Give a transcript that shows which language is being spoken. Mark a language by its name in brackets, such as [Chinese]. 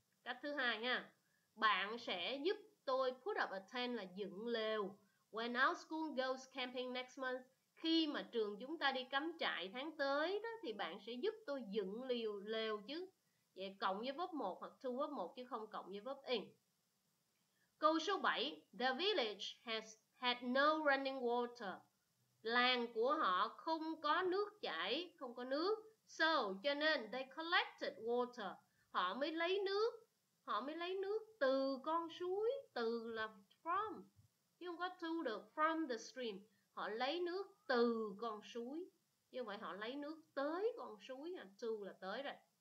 [Vietnamese] Cách thứ hai nha, bạn sẽ giúp tôi [English] put up a tent, [Vietnamese] là dựng lều. [English] When our school goes camping next month, [Vietnamese] khi mà trường chúng ta đi cắm trại tháng tới đó, thì bạn sẽ giúp tôi dựng lều chứ. Vậy cộng với verb 1 hoặc to verb 1 chứ không cộng với verb in. Câu số 7, [English] the village has had no running water. [Vietnamese] Làng của họ không có nước chảy, không có nước. [English] So, [Vietnamese] cho nên [English] they collected water. [Vietnamese] Họ mới lấy nước. Họ mới lấy nước từ con suối, từ là from, chứ không có to được, [English] from the stream. [Vietnamese] Họ lấy nước từ con suối, chứ không phải họ lấy nước tới con suối, to là tới rồi.